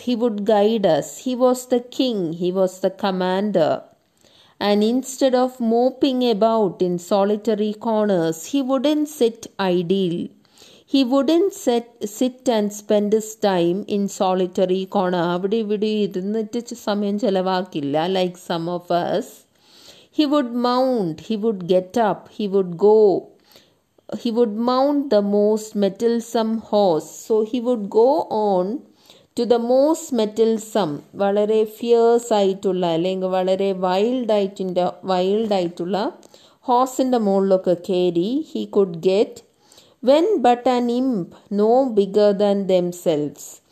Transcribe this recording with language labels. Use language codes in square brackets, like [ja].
[en] He would guide us. He was the king, he was the commander. And instead of moping about in solitary corners, he wouldn't sit idle. He wouldn't sit and spend his time in solitary corner. [ml] അവിടെ ഇവിടെ ഇരുന്നിട്ട് സമയം ചെലവാക്കില്ല, [en] like some of us. He would mount, he would get up, he would go. He would mount the most mettlesome horse. So he would go on to the most mettlesome, [ml] valare fierce aayittulla allengu valare wild aayittulla [en] horse in the [ml] mollokke keri [en] he could get, when but an imp no bigger than themselves.